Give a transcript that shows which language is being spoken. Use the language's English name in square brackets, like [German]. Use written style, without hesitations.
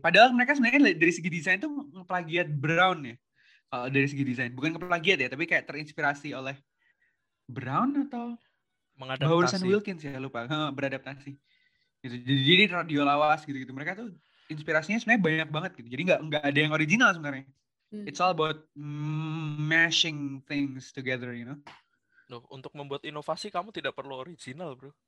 [Indonesian] Padahal mereka sebenarnya dari segi desain tuh ngeplagiat Brown ya. Dari segi desain. Bukan ngeplagiat ya, tapi kayak terinspirasi oleh Brown atau Bowers and Wilkins ya, lupa. Beradaptasi. Gitu. Jadi radio lawas gitu-gitu. Mereka tuh inspirasinya sebenarnya banyak banget gitu. Jadi gak ada yang original sebenarnya. [English] It's all about mashing things together, you know. [Indonesian] Loh, untuk membuat inovasi kamu tidak perlu original, bro.